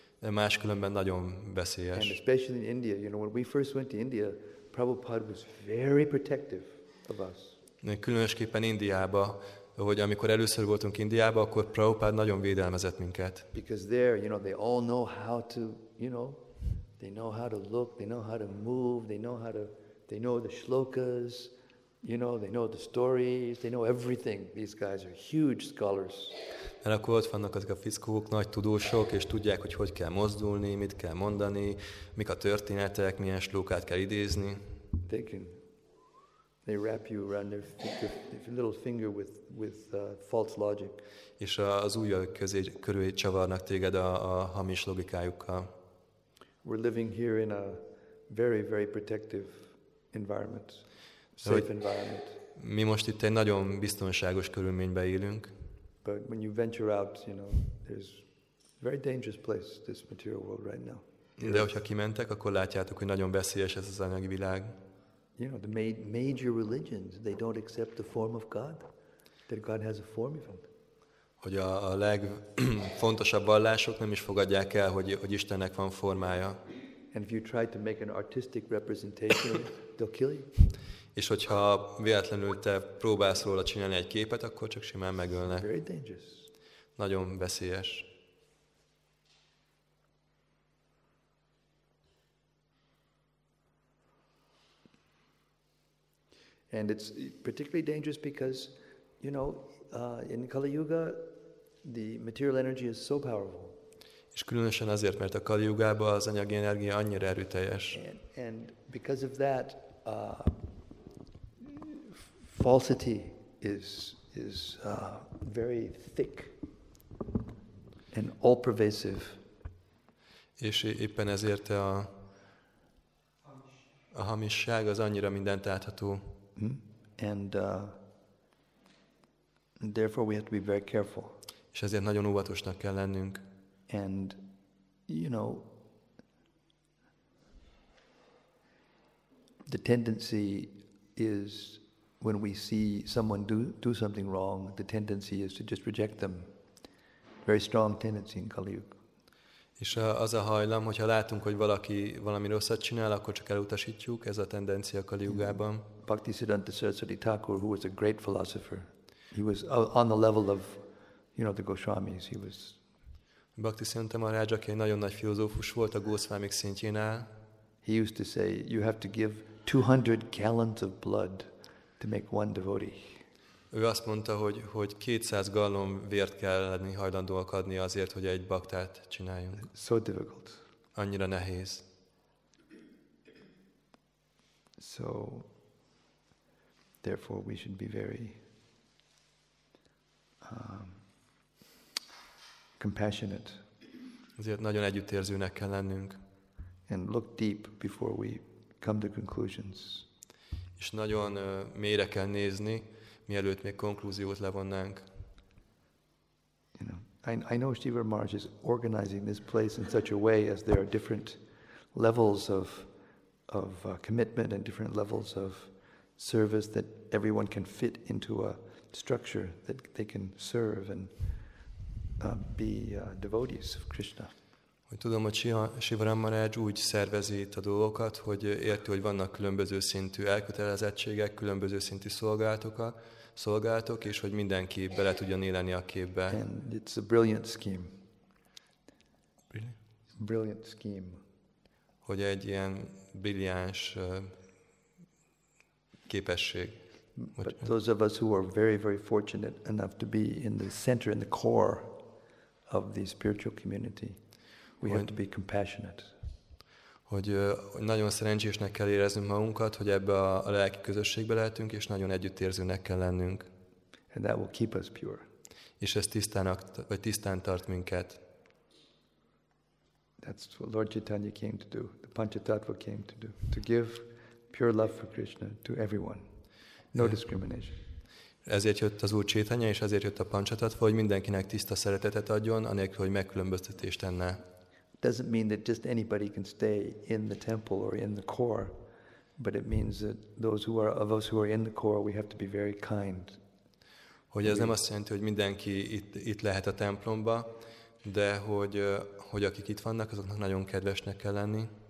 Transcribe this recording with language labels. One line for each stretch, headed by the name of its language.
Hungarian: Máskülönben nagyon veszélyes.
English: And especially in India, you know, when we first went to India, Prabhupada was very protective of us.
Hungarian: Különösképpen Indiába, hogy amikor először voltunk Indiába, akkor Prabhupád nagyon védelmezett minket.
English: Because there, you know, they all know how to, you know, they know how to look, they know how to move, they know the shlokas, you know, they know the stories, they know everything. These guys are huge scholars.
Hungarian: Mert akkor ott vannak azok a fickók, nagy tudósok, és tudják, hogy hogy kell mozdulni, mit kell mondani, mik a történetek, milyen slókát kell idézni.
English: They can, they wrap you around their finger, their little finger with false logic.
Hungarian: És az ujjak közé körül csavarnak téged a hamis logikájukkal.
English: We're living here in a very, very protective environment, safe environment.
Hungarian: Mi most itt egy nagyon biztonságos körülményben élünk.
English: But when you venture out, you know, there's a very dangerous place, this material world right now.
Hungarian: De hogyha kimentek, akkor látjátok, hogy nagyon veszélyes ez az anyagi világ.
English: You know, the major religions, they don't accept the form of God, that God has a form of them.
Hungarian: Hogy a legfontosabb vallások nem is fogadják el, hogy Istennek van formája.
English: And if you try to make an artistic representation, they'll kill you.
Hungarian: És hogyha véletlenül te próbálsz róla csinálni egy képet, akkor csak simán megölne.
English: Very dangerous.
Hungarian: Nagyon veszélyes.
English: And it's particularly dangerous because, you know, in Kali Yuga, the material energy is so powerful.
Hungarian: És különösen azért, mert a Kali Yugában az anyagi energia annyira erőteljes.
English: And because of that, falsity is very thick and all pervasive.
Hungarian: És éppen ezért a hamisság az annyira mindent átható.
English: And therefore we have to be very careful.
Hungarian: És ezért nagyon óvatosnak kell lennünk.
English: And you know, the tendency is when we see someone do something wrong, the tendency is to just reject them. Very strong tendency in Kali Yuga.
Hungarian: És az a hajlam, hogyha látunk, hogy valaki valami rosszat csinál, akkor csak elutasítjuk, ez a tendencia Kali Yugában.
English: Bhaktisiddhanta Saraswati Thakur, who was a great philosopher, he was on the level of, you know, the Goswamis. He was
Hungarian: Bhaktisiddhanta Maharaj, aki egy nagyon nagy filozófus volt a Goswamik szintjén áll.
English: He used to say, you have to give 200 gallons of blood to make one devotee.
Hungarian: Ő azt mondta, hogy 200 gallon vért kell lenni hajlandóak adni azért, hogy egy baktát csináljunk.
English: So difficult.
Hungarian: Annyira nehéz.
English: So therefore we should be very compassionate.
Hungarian: Ezért nagyon együttérzőnek kell lennünk.
English: And look deep before we come to conclusions.
Hungarian: És nagyon mélyre kell nézni, mielőtt még konklúziót levonnánk.
English: You know, I know Shiva Maharaj is organizing this place in such a way as there are different levels of commitment and different levels of service that everyone can fit into a structure that they can serve and be devotees of Krishna.
Hungarian: Hogy tudom, hogy Sivaram Maharaj úgy szervezi itt a dolgokat, hogy érti, hogy vannak különböző szintű elkötelezettségek, különböző szintű szolgálatok, és hogy mindenki bele tudjon élni a képbe.
English: And it's a brilliant scheme. Brilliant scheme.
Hungarian: Hogy egy ilyen brilliáns képesség.
English: But those of us who are very, very fortunate enough to be in the center, in the core of the spiritual community, we have to be compassionate.
Hungarian: Hogy nagyon szerencsésnek kell éreznünk magunkat, hogy ebbe a lelki közösségbe lehetünk, és nagyon együttérzőnek kell lennünk.
English: And that will keep us pure.
Hungarian: És ez tisztán tart minket.
English: That's what Lord Chaitanya came to do, the Panchatattva came to do, to give pure love for Krishna to everyone. No discrimination.
Hungarian: Ezért jött az Úr Chaitanya, és ezért jött a Panchatattva, hogy mindenkinek tiszta szeretetet adjon, anélkül, hogy megkülönböztetést tenne.
English: Doesn't mean that just anybody can stay in the temple or in the core, but it means that those who are of us who are in the core, we have to be very kind.
Hungarian: Hogy ez nem azt jelenti, hogy mindenki itt lehet a templomba, de hogy akik itt vannak, azoknak nagyon kedvesnek kell lenni.